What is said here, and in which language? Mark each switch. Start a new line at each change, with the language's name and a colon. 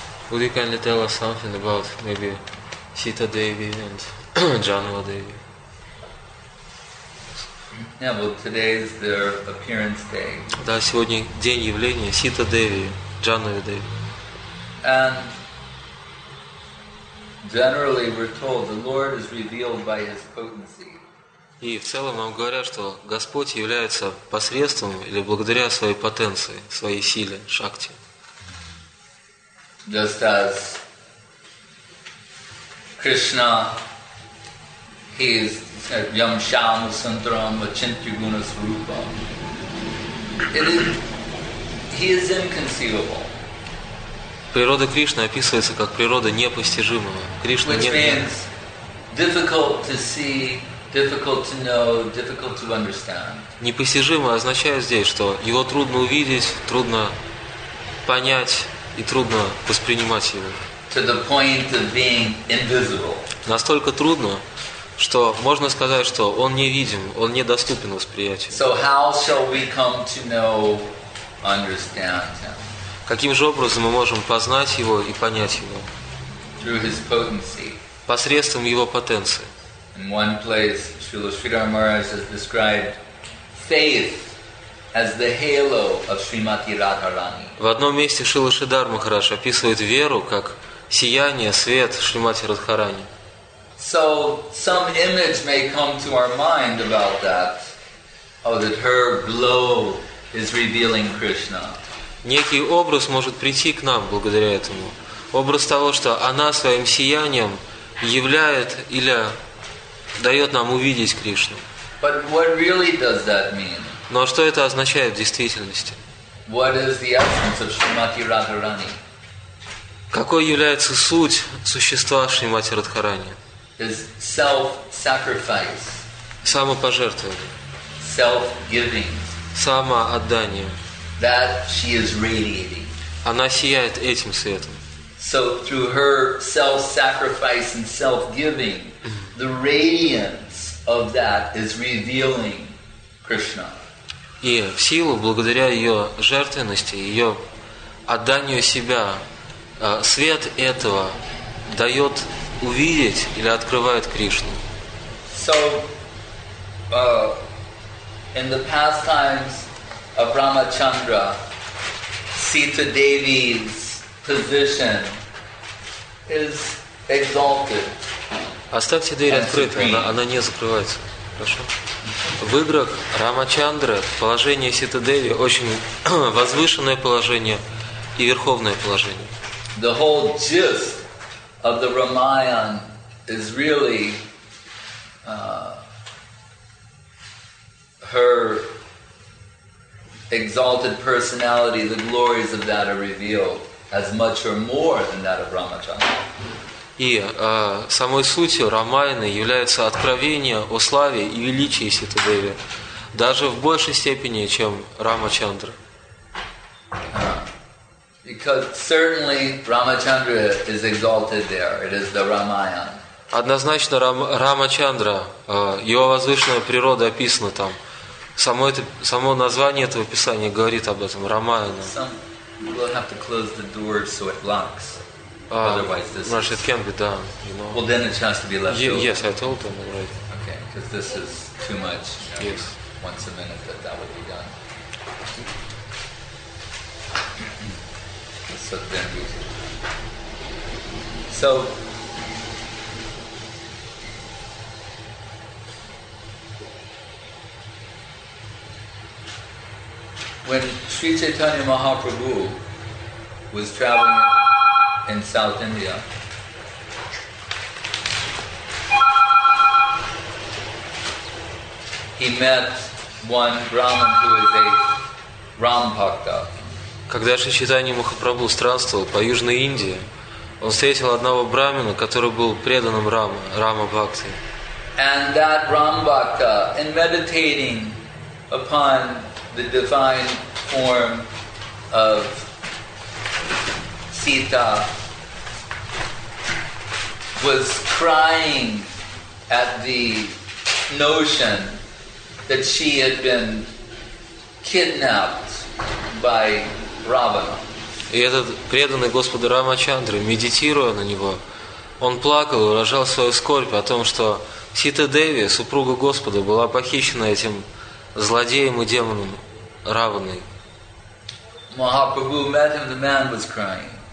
English: Would you kindly tell us something about maybe Sita Devi and Janava Devi? Yeah, well, today is their appearance day.
Russian: Да, сегодня день явления Сита Деви, Джанава Деви.
English: And generally, we're told the Lord is revealed by His potency.
Russian: И в целом нам говорят, что Господь является посредством или благодаря своей потенции, своей силе, шакти.
English: Just as Krishna, he is
Sanskrit: Yam Sham Santaram Achintyaguna Swarupa.
English: He is inconceivable.
Russian: Природа Кришны описывается как природа непостижимого. Кришна не.
English: Which means difficult to see, difficult to know, difficult to understand.
Russian: Непостижимо означает здесь, что его трудно увидеть, трудно понять. И трудно воспринимать его.
English: To the point of being invisible.
Russian: Настолько трудно, что можно сказать, что он невидим, он недоступен восприятию.
English: So how shall we come to know, understand him?
Russian: Каким же образом мы можем познать его и понять его?
English: Through his potency.
Russian: Посредством его потенции.
English: In one place, Srila Sridhar Maharaj has described faith as the halo of Srimati Radharani.
Russian: В одном месте Шрила Шридхар Махарадж описывает веру как сияние, свет Шримати Радхарани.
English: So some image may come to our mind about that, oh, that her glow is revealing Krishna.
Russian: Некий образ может прийти к нам благодаря этому. Образ того, что она своим сиянием являет или дает нам увидеть Кришну.
English: But what really does that mean?
Russian: Но что это означает в действительности?
English: What is the essence of Srimati Radharani?
Russian: Какой является суть существа Шримати Радхарани?
English: His self-sacrifice.
Russian: Самопожертвование.
English: Self-giving.
Russian: Самоотдание.
English: That she is radiating.
Russian: Она сияет этим светом.
English: So through her self-sacrifice and self-giving, the radiance of that is revealing Krishna.
Russian: И в силу, благодаря ее жертвенности, ее отданию себя, свет этого дает увидеть или открывает Кришну.
English: So, in the past times of Ramachandra, Sita Devi's position is exalted.
Russian: Оставьте дверь открытой, она не закрывается. Хорошо. В играх Рамачандры положение Сита Деви очень возвышенное положение и верховное положение.
English: The whole gist of the Ramayana is really her exalted personality. The glories of that are revealed as much or more than that of Ramachandra.
Russian: И самой сутью Рамаяны является откровение о славе и величии Сита Деви, даже в большей степени, чем Рамачандра.
English: Because certainly Ramachandra is exalted there. It is the Ramayana.
Russian: Однозначно Рамачандра, его возвышенная природа описана там. Само название этого писания говорит об этом, Рамаяна.
English: We'll have to close the door so it locks. Otherwise, this. It can be done, you know. Well, then it has to be left. Yes, I told them already. Okay, because this is too much. Yes. Once a minute, that would be done. So then, so when Sri Chaitanya Mahaprabhu was traveling in South India, he met one Brahman who is a Rampakta.
Russian: Когда Шичитани Махапрабху странствовал по Южной Индии, он встретил одного брамина, который был преданным Рама, Рама Бхакти.
English: And that Rambhakta, in meditating upon the divine form of Sita, was crying at the notion that she had been kidnapped by Ravana.
Russian: И этот преданный Господу Рамачандры, медитируя на него, он плакал и выражал свою скорбь о том, что Сита Деви, супруга Господа, была похищена этим злодеем и демоном Раваной.
English: Mahaprabhu met him, the man was crying.